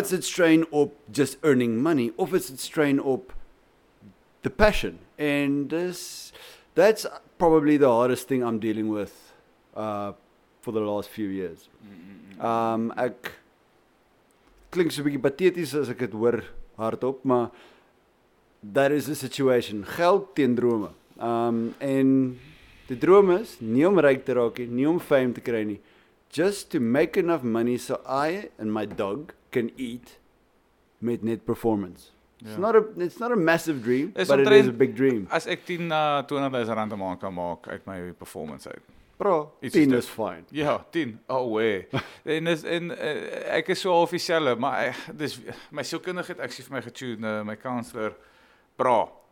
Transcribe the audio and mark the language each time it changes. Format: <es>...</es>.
<en>It's a strain op just earning money, of it's a strain op the passion. And that's probably the hardest thing I'm dealing with for the last few years.</en> <af>Ek klink so 'n bietjie pateties as ek dit hoor hardop, maar</af> <en>that is the situation.</en> <af>Geld teen drome. En die droom is nie om ryk te raak nie, nie om fame te kry nie.</af> <en>Just to make enough money so I and my dog can eat</en> <af>met net performance.</af> <en>It's not a massive dream, it is a big dream.</en> <af>As ek 10 20,000 rand 'n maand kan maak uit my performance uit.</af> <en>Bro, 10 is fine.</en> <af>Ja, 10. Oh, way. En is en ek is so half dieselfde, maar dis my sielkundige het actually vir my getune, my counselor, bro.</af>